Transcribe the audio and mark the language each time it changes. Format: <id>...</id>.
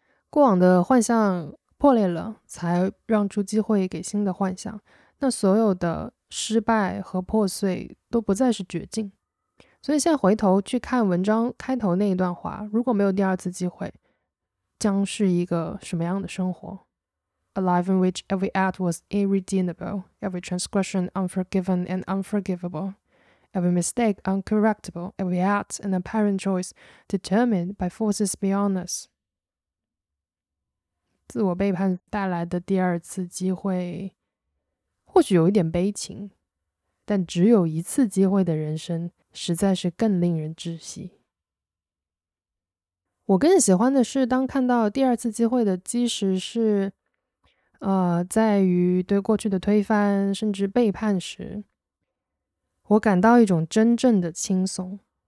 <zh>过往的幻象破裂了，才让出机会给新的幻想，那所有的失败和破碎都不再是绝境。所以现在回头去看文章开头那一段话，如果没有第二次机会，将是一个什么样的生活？</zh> <en>a life in which every act was irredeemable, every transgression unforgiven and unforgivable, every mistake uncorrectable, every act an apparent choice determined by forces beyond us.</en> <zh>自我背叛带来的第二次机会或许有一点悲情，但只有一次机会的人生实在是更令人窒息。我更喜欢的是当看到第二次机会的基石是在于对过去的推翻甚至背叛时，我感到一种真正的轻松。</zh>